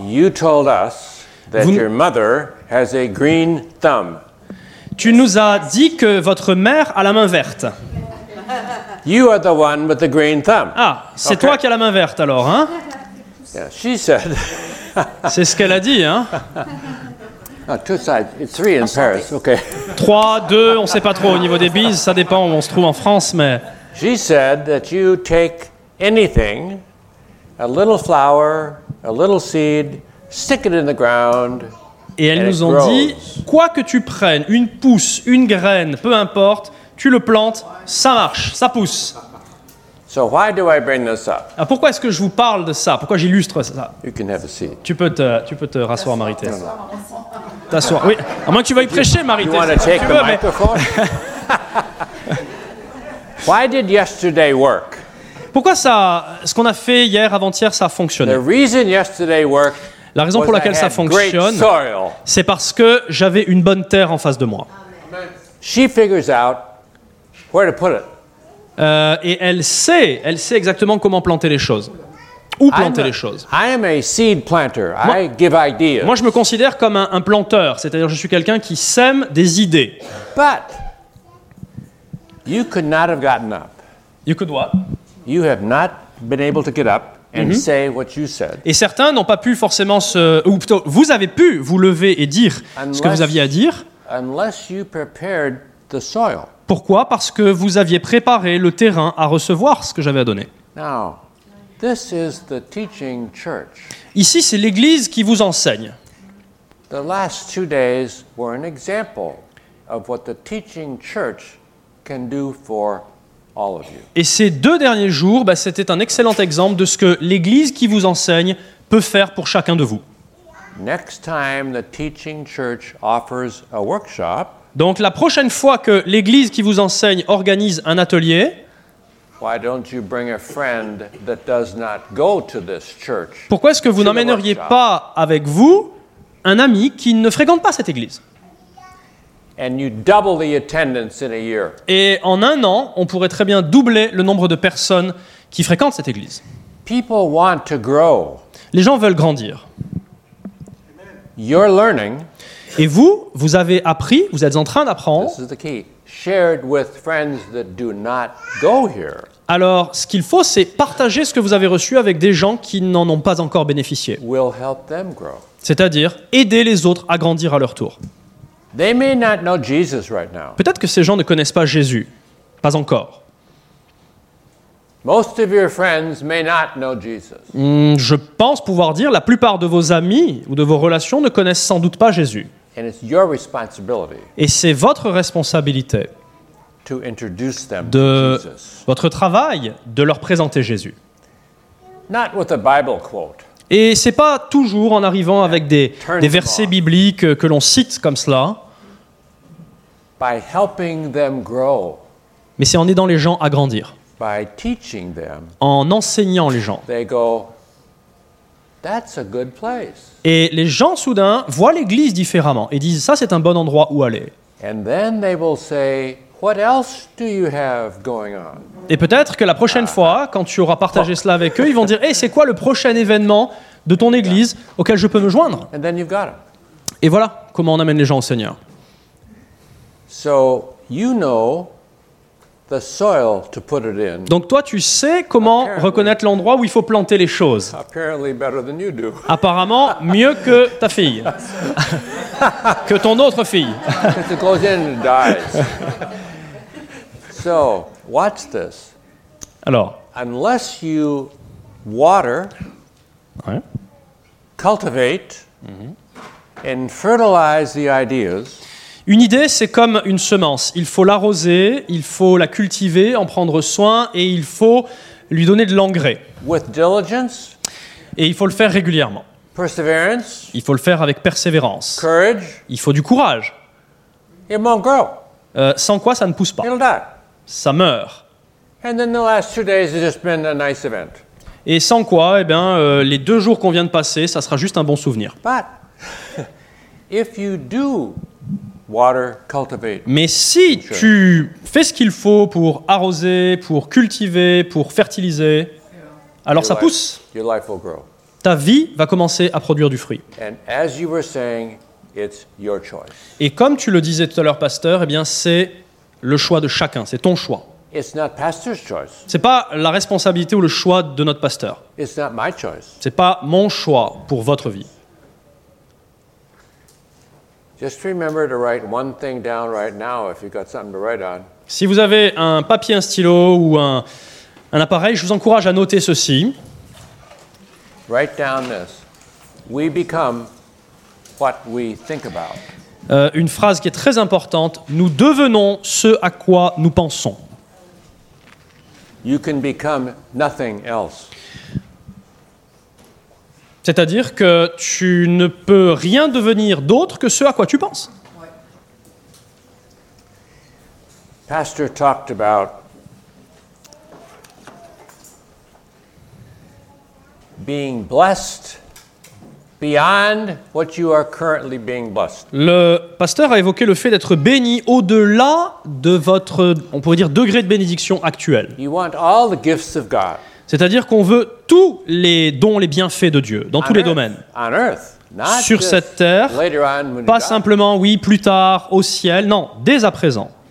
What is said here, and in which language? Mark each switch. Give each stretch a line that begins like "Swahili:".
English: you told us that your mother has a green thumb.
French: Tu nous as dit que votre mère a la main verte.
English: You are the one with the green thumb.
French: Ah, c'est okay. Toi qui as la main verte alors, hein?
English: Yeah, she said.
French: C'est ce qu'elle a dit, hein?
English: Oh, two sides. It's three in Paris. Okay.
French: 3, 2, on ne sait pas trop au niveau des bises, ça dépend où on se trouve en France, mais.
English: She said that you take anything, a little flower, a little seed, stick it in the ground.
French: Et elles nous ont dit, quoi que tu prennes, une pousse, une graine, peu importe, tu le plantes, ça marche, ça pousse.
English: So why do I bring this up?
French: Ah, pourquoi est-ce que je vous parle de ça? Pourquoi j'illustre ça?
English: You can have a seat.
French: Tu peux te rasseoir, Marité. T'asseoir, oui. À moins que tu veuilles prêcher, Marité.
English: You want to take the microphone? Why did yesterday work?
French: Pourquoi ça, ce qu'on a fait hier, avant-hier, ça a fonctionné?
English: The reason yesterday worked.
French: La raison pour laquelle ça fonctionne, c'est parce que j'avais une bonne terre en face de moi.
English: She figures out where to put it.
French: Et elle sait exactement comment planter les choses. Où planter les choses.
English: I am a seed planter. I give ideas.
French: Moi, je me considère comme un planteur, c'est-à-dire je suis quelqu'un qui sème des idées.
English: But you could not have gotten up. You could what? You have not been able to get up. And say what you said.
French: Et certains n'ont pas pu forcément se... Ou plutôt, vous avez pu vous lever et dire ce que vous aviez à dire.
English: Unless you prepared the soil.
French: Pourquoi? Parce que vous aviez préparé le terrain à recevoir ce que j'avais à donner.
English: Now, this is the teaching church.
French: Ici, c'est l'Église qui vous enseigne.
English: The last 2 days were an example of what the teaching church can do for all of you.
French: Et ces 2 derniers jours, c'était un excellent exemple de ce que l'Église qui vous enseigne peut faire pour chacun de vous.
English: Next time the teaching church offers a workshop,
French: donc la prochaine fois que l'Église qui vous enseigne organise un atelier,
English: why don't you bring a friend that does not go to this church?
French: Pourquoi est-ce que vous n'emmèneriez pas avec vous un ami qui ne fréquente pas cette Église?
English: And you double the attendance in a year.
French: Et en un an, on pourrait très bien doubler le nombre de personnes qui fréquentent cette église.
English: People want to grow.
French: Les gens veulent grandir.
English: You're learning.
French: Et vous avez appris, vous êtes en train d'apprendre.
English: This is the key. Shared with friends that do not go here.
French: Alors, ce qu'il faut, c'est partager ce que vous avez reçu avec des gens qui n'en ont pas encore bénéficié.
English: We'll help them grow.
French: C'est-à-dire aider les autres à grandir à leur tour.
English: They may not know Jesus right now.
French: Peut-être que ces gens ne connaissent pas Jésus, pas encore.
English: Most of your friends may not know Jesus.
French: Je pense pouvoir dire la plupart de vos amis ou de vos relations ne connaissent sans doute pas Jésus.
English: And it's your responsibility.
French: Et c'est votre responsabilité.
English: To introduce them
French: de
English: to Jesus.
French: Votre travail de leur présenter Jésus.
English: Not with a Bible quote.
French: Et ce n'est pas toujours en arrivant avec des versets bibliques que l'on cite comme cela.
English: By helping them grow.
French: Mais c'est en aidant les gens à grandir.
English: By teaching them,
French: en enseignant les gens.
English: They go, that's a good place.
French: Et les gens, soudain, voient l'Église différemment et disent, ça, c'est un bon endroit où aller.
English: And then they will say, what else do you have going on?
French: Et peut-être que la prochaine fois, quand tu auras partagé cela avec eux, ils vont dire, hey, c'est quoi le prochain événement de ton Église auquel je peux me joindre?
English: And then you've got them.
French: Et voilà comment on amène les gens au Seigneur.
English: So, you know, the soil to put it in.
French: Donc toi, tu sais comment
English: apparently,
French: reconnaître l'endroit où il faut planter les choses.
English: Apparently better than you do.
French: Apparemment, mieux que ta fille. que ton autre fille.
English: It goes in and dies. So, watch this.
French: Alors,
English: unless you water,
French: ouais.
English: cultivate, mm-hmm. and fertilize the ideas,
French: une idée, c'est comme une semence. Il faut l'arroser, il faut la cultiver, en prendre soin, et il faut lui donner de l'engrais.
English: With diligence,
French: et il faut le faire régulièrement.
English: Perseverance,
French: il faut le faire avec persévérance.
English: Courage,
French: il faut du courage.
English: It won't grow.
French: Sans quoi, ça ne pousse pas.
English: It'll die.
French: Ça meurt.
English: And then the last 2 days has just been a nice event.
French: Et sans quoi, eh bien, les 2 jours qu'on vient de passer, ça sera juste un bon souvenir.
English: But, if you do water, cultivate.
French: Mais si tu fais ce qu'il faut pour arroser, pour cultiver, pour fertiliser, yeah. alors
English: your
French: ça pousse.
English: Life, your life will grow.
French: Ta vie va commencer à produire du fruit.
English: And as you were saying, it's your choice.
French: Et comme tu le disais tout à l'heure, pasteur, eh bien, c'est le choix de chacun, c'est ton choix.
English: It's not pastor's choice.
French: C'est pas la responsabilité ou le choix de notre pasteur.
English: It's not my choice.
French: C'est pas mon choix pour votre vie.
English: Just remember to write one thing down right now if you've got something to write on.
French: Si vous avez un papier, un stylo ou un appareil, je vous encourage à noter ceci.
English: Write down this. We become what we think about.
French: Une phrase qui est très importante. Nous devenons ce à quoi nous pensons.
English: You can become nothing else.
French: C'est-à-dire que tu ne peux rien devenir d'autre que ce à quoi tu penses. Ouais.
English: Pastor talked about being blessed beyond what you are currently being blessed.
French: Le pasteur a évoqué le fait d'être béni au-delà de votre, on pourrait dire, degré de bénédiction actuel.
English: You want all the gifts of God.
French: C'est-à-dire qu'on veut tous les dons, les bienfaits de Dieu, dans on tous
English: earth,
French: les domaines.
English: On earth, not
French: sur cette terre,
English: later on when
French: pas simplement, oui, plus tard, au ciel, non, dès à présent.